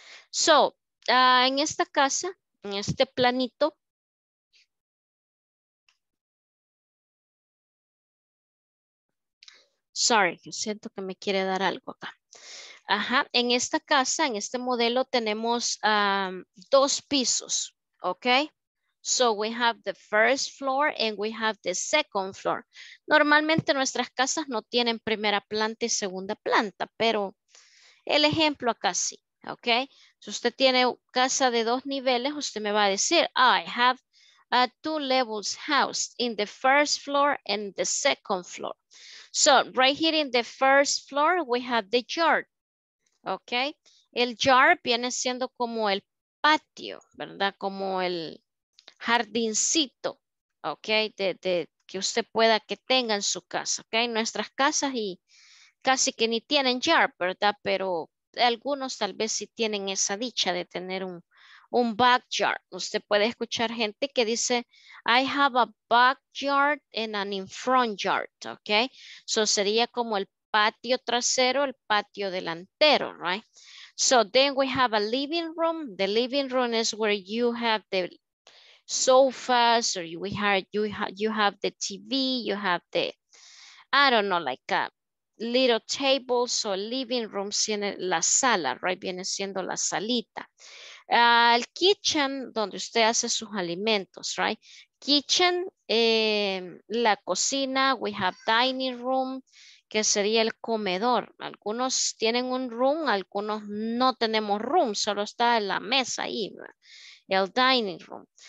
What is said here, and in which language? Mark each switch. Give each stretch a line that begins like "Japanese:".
Spanish: So, en esta casa, en este planito, siento que me quiere dar algo acá. Ajá, en esta casa, en este modelo, tenemos dos pisos, ¿ok?
English: So we have the first floor and we have the second floor.
Spanish: Normalmente nuestras casas no tienen primera planta y segunda planta, pero el ejemplo acá sí, ¿ok? Si usted tiene casa de dos niveles, usted me va a decir,
English: oh, I have a two levels house in the first floor and the second floor. So right here in the first floor, we have the yard, okay?
Spanish: El yard viene siendo como el patio, ¿verdad? Como el jardincito, okay? De que usted pueda que tenga en su casa, okay? Nuestras casas y casi que ni tienen yard, ¿verdad? Pero algunos tal vez sí tienen esa dicha de tener un backyard. Usted puede escuchar gente que dice,
English: I have a backyard and an in front yard, ok?
Spanish: So sería como el patio trasero, el patio delantero, right?
English: So then we have a living room. The living room is where you have the sofas, or you have the TV, you have the, I don't know, like a little table.
Spanish: So living room tiene la sala, right? Viene siendo la salita. El kitchen, donde usted hace sus alimentos, right? Kitchen, la cocina,
English: we have dining room,
Spanish: que sería el comedor. Algunos tienen un room, algunos no tenemos room, solo está en la mesa ahí, el dining room.